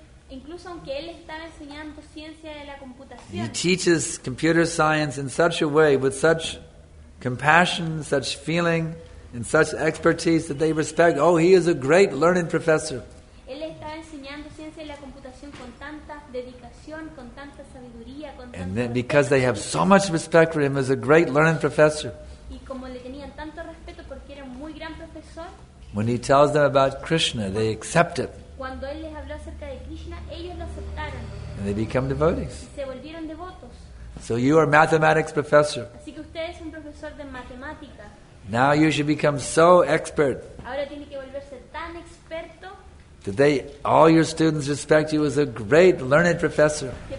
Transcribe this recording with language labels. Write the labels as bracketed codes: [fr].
[es] Incluso aunque él estaba enseñando ciencia de la computación. [en] He teaches computer science in such a way, with such compassion, such feeling, and such expertise that they respect, oh, he is a great learned professor. [es] Él estaba enseñando ciencia de la computación con tanta dedicación, con tanta sabiduría, con tanta. [en] And then because they have so much respect for him as a great learned professor. [es] Y como le tenían tanto respeto porque era muy gran profesor. [en] When he tells them about Krishna, they accept it. [es] Cuando él les habló acerca de Krishna, ellos lo aceptaron. [en] And they become devotees. [es] Y se volvieron devotos. [en] So you are mathematics professor. [es] Así que usted es un profesor de matemática. [en] Now you should become so expert. [es] Ahora tiene que volverse tan experto. [en] That they, all your students respect you as a great learned professor.